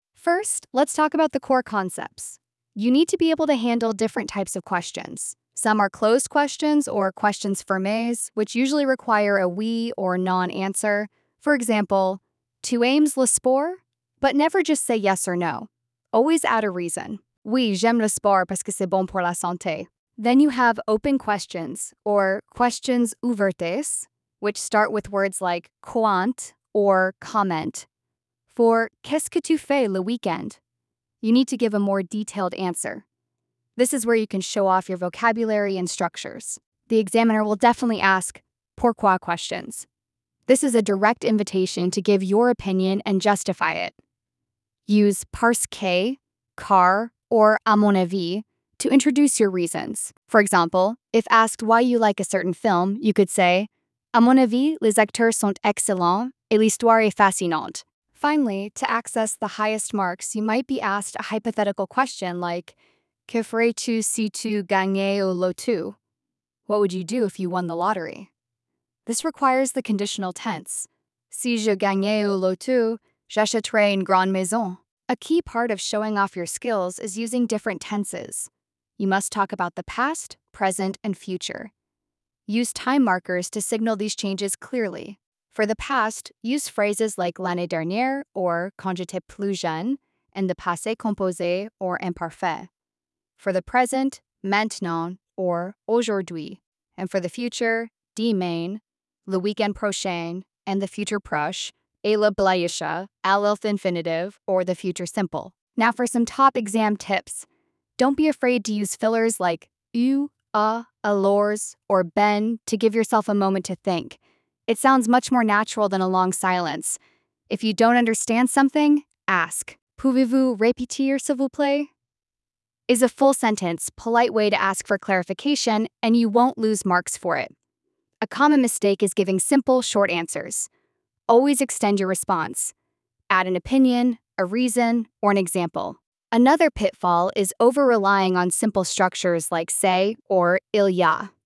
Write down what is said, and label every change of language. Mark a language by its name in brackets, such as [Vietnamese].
[English] First, let's talk about the core concepts. You need to be able to handle different types of questions. Some are closed questions or [French] questions fermés, [English] which usually require a oui or non-answer. For example, [French] tu aimes le sport? [English] But never just say yes or no. Always add a reason. Oui, j'aime le sport parce que c'est bon pour la santé. Then you have open questions, or [French] questions ouvertes, [English] which start with words like quant or comment. For [French] qu'est-ce que tu fais le weekend? [English] You need to give a more detailed answer. This is where you can show off your vocabulary and structures. The examiner will definitely ask pourquoi questions. This is a direct invitation to give your opinion and justify it. Use parce que, car, or [French] à mon avis [English] to introduce your reasons. For example, if asked why you like a certain film, you could say, [French] à mon avis, les acteurs sont excellents et l'histoire est fascinante. [English] Finally, to access the highest marks, you might be asked a hypothetical question like, [French] que ferais-tu si tu gagnais au loto? [English] What would you do if you won the lottery? This requires the conditional tense. [French] Si je gagnais au loto, j'achèterais une grande maison. [English] A key part of showing off your skills is using different tenses. You must talk about the past, present, and future. Use time markers to signal these changes clearly. For the past, use phrases like [French] l'année dernière [English] or [French] quand j'étais plus jeune [English] and the passé composé or imparfait. For the present, maintenant or aujourd'hui. And for the future, [French] demain, le week-end prochain, [English] and the future proche, et la blaïsha, alleth infinitive, or the future simple. Now for some top exam tips. Don't be afraid to use fillers like eu, alors, or ben to give yourself a moment to think. It sounds much more natural than a long silence. If you don't understand something, ask. [French] Pouvez-vous répéter, s'il vous plaît? [English] Is a full sentence, polite way to ask for clarification, and you won't lose marks for it. A common mistake is giving simple, short answers. Always extend your response. Add an opinion, a reason, or an example. Another pitfall is over-relying on simple structures like say or il y a.